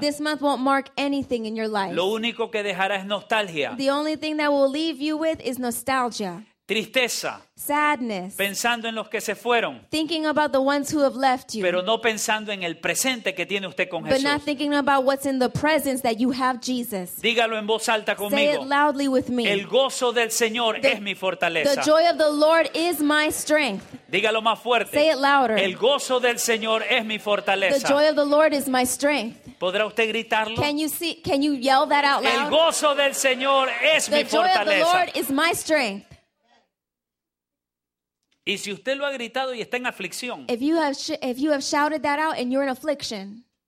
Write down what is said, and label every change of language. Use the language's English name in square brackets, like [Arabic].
[English] This month won't mark anything in your life. [Spanish] Lo único que dejará es nostalgia. [English] The only thing that will leave you with is nostalgia. [Spanish] Tristeza. [English] Sadness. [Spanish] Pensando en los que se fueron. [English] Thinking about the ones who have left you. [Spanish] Pero no pensando en el presente que tiene usted con [English] but [Spanish] Jesús. [English] But not thinking about what's in the presence that you have Jesus. [Spanish] Dígalo en voz alta conmigo. [English] Say it loudly with me. [Spanish] El gozo del Señor es mi fortaleza. [English] The joy of the Lord is my strength. [Spanish] Dígalo más fuerte. [English] Say it louder. [Spanish] El gozo del Señor es mi fortaleza. [English] The joy of the Lord is my strength. [Spanish] ¿Podrá usted gritarlo? [English] Can you yell that out loud? [Spanish] El gozo del Señor es mi fortaleza. [English] The joy of the Lord is my strength. [Spanish] Y si usted lo ha gritado y está en aflicción, [English] if you have shouted that out and you're in affliction,